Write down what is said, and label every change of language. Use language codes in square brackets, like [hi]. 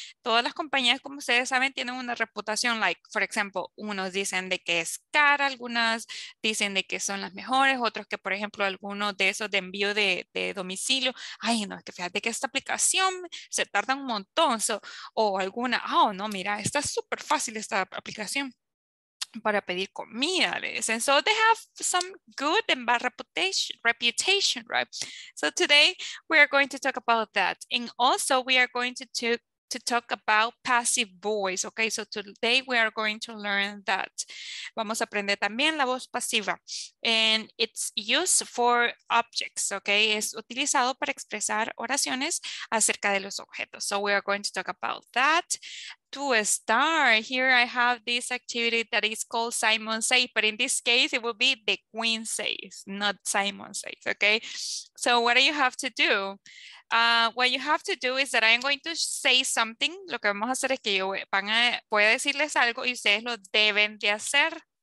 [es] Todas las compañías, como ustedes saben, tienen una reputación. [en] Like, for example, [es] unos dicen de que es cara, algunas dicen de que son las mejores, otros que, por ejemplo, algunos de esos de envío de domicilio, ay, no, es que fíjate que esta aplicación se tarda un montón, o alguna, oh, no, mira, está súper fácil esta aplicación para pedir comida, ¿ves? [en] And so they have some good and bad reputation, right? So today we are going to talk about that. And also we are going to talk about passive voice, okay? So today we are going to learn that. [es] Vamos a aprender también la voz pasiva. [en] And it's used for objects, okay? [es] Es utilizado para expresar oraciones acerca de los objetos. [en] So we are going to talk about that. to start. Here I have this activity that is called Simon Says, but in this case, it will be the Queen Says, not Simon Says, okay? So what do you have to do? What you have to do is that I'm going to say something. [es] Lo que vamos a hacer es que yo van a, voy a decirles algo y ustedes lo deben de hacer.